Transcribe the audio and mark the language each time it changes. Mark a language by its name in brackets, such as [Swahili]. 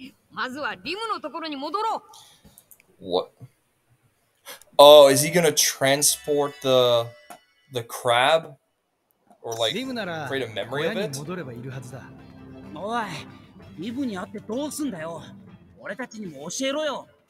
[Japanese] まずはリムのところに戻ろう。 [English] What? Oh, is he gonna transport the crab? Or like, create a memory of it? [Japanese] リムなら、戻ればいるはずだ。おい、リムに会ってどうすんだよ。俺たちにも教えろよ。